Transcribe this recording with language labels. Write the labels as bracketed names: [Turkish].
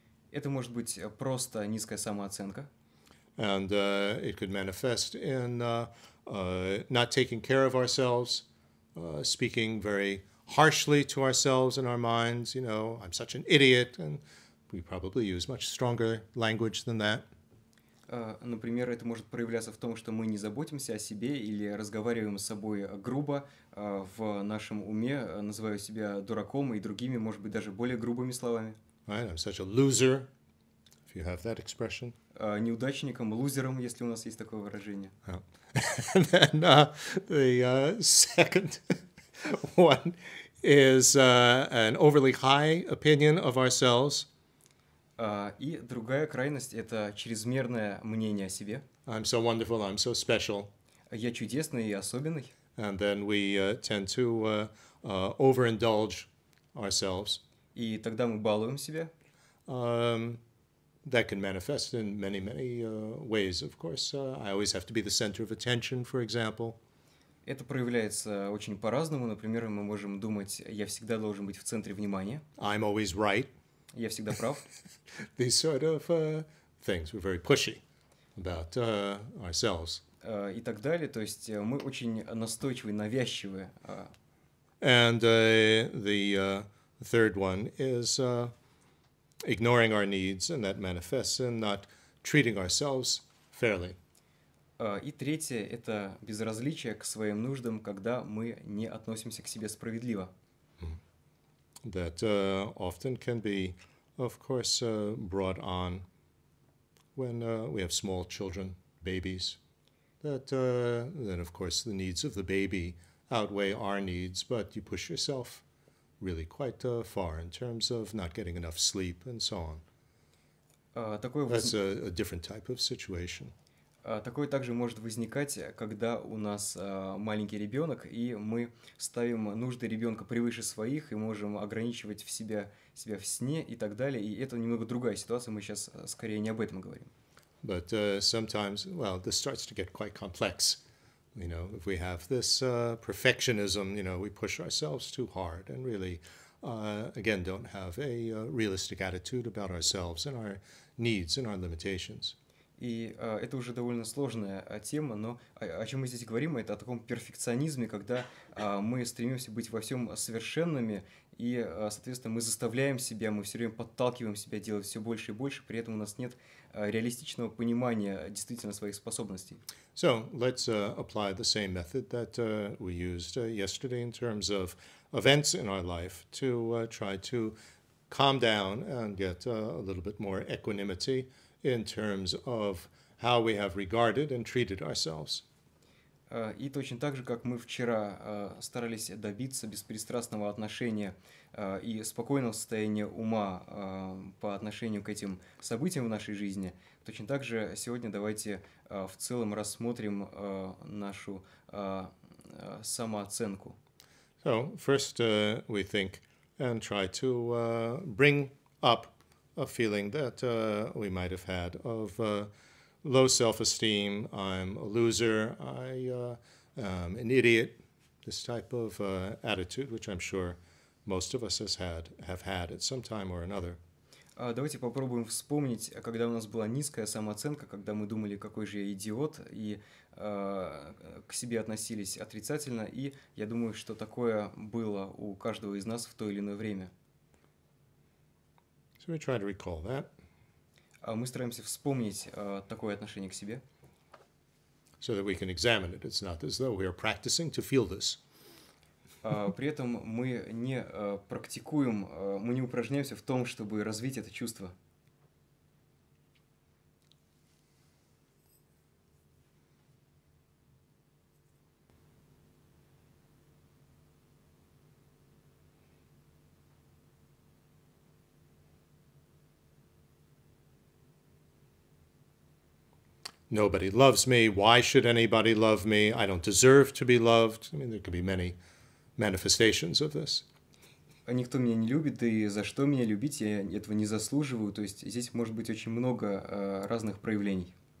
[Russian] Это может быть просто низкая самооценка. [English] And it could manifest in not taking care of ourselves, speaking very harshly to ourselves in our minds, you know, I'm such an idiot, and we probably use much stronger language than that. [Russian] Например, это может проявляться в том, что мы не заботимся о себе или разговариваем с собой грубо в нашем уме, называя себя дураком и другими, может быть, даже более грубыми словами. [English] Right, I'm such a loser, if you have that expression. [Russian] Неудачником, лузером, если у нас есть такое выражение. Oh. [English] And then the second one is an overly high opinion of ourselves. [Russian] И другая крайность — это чрезмерное мнение о себе. [English] I'm so wonderful, I'm so special. [Russian] Я чудесный и особенный. [English] And then we tend to overindulge ourselves. [Russian] И тогда мы балуем себя. [English] That can manifest in many, many ways, of course. I always have to be the center of attention, for example. [Russian] Это проявляется очень по-разному. Например, мы можем думать, я всегда должен быть в центре внимания. [English] I'm always right. [Russian] Я всегда прав. [English] These sort of things. We're very pushy about ourselves. [Russian] И так далее. То есть мы очень настойчивые, навязчивые. [English] And the third one is ignoring our needs, and that manifests in not treating ourselves fairly. [Russian] И третье — это безразличие к своим нуждам, когда мы не относимся к себе справедливо. [English] That often can be, of course, brought on when we have small children, babies. That then, of course, the needs of the baby outweigh our needs, but you push yourself really quite far in terms of not getting enough sleep and so on. That's a different type of situation. [Russian] Такое также может возникать, когда у нас маленький ребенок, и мы ставим нужды ребенка превыше своих, и можем ограничивать в себя в сне и так далее. И это немного другая ситуация, мы сейчас скорее не об этом говорим. [English] But sometimes, well, this starts to get quite complex. You know, if we have this perfectionism, you know, we push ourselves too hard and really again, don't have a realistic attitude about ourselves and our needs and our limitations. [Russian] И это уже довольно сложная тема, но о чем мы здесь говорим, это о таком перфекционизме, когда мы стремимся быть во всем совершенными, и, соответственно, мы заставляем себя, мы все время подталкиваем себя делать все больше и больше, при этом у нас нет реалистичного понимания действительно своих способностей. [English] So, let's apply the same method that we used yesterday in terms of events in our life to try to calm down and get a little bit more equanimity in terms of how we have regarded and treated ourselves. [Russian] И точно так же, как мы вчера старались добиться беспристрастного отношения и спокойного состояния ума по отношению к этим событиям в нашей жизни, точно так же сегодня давайте в целом рассмотрим нашу самооценку. [English] So, first we think and try to bring up a feeling that we might have had of low self-esteem, I'm a loser, I am an idiot, this type of attitude, which I'm sure most of us have had at some time or another. [Russian] Давайте попробуем вспомнить, когда у нас была низкая самооценка, когда мы думали, какой же я идиот, и к себе относились отрицательно, и я думаю, что такое было у каждого из нас в то или иное время. [English] So we try to recall that. [Russian] Мы стараемся вспомнить такое отношение к себе. [English] So that we can examine it. It's not as though we are practicing to feel this. [Russian] При этом мы не практикуем, мы не упражняемся в том, чтобы развить это чувство. [English] Nobody loves me. Why should anybody love me? I don't deserve to be loved. I mean, there could be many manifestations of this. [Russian] Никто меня не любит, и за что меня любить? Я этого не заслуживаю. То есть здесь может быть очень много разных проявлений.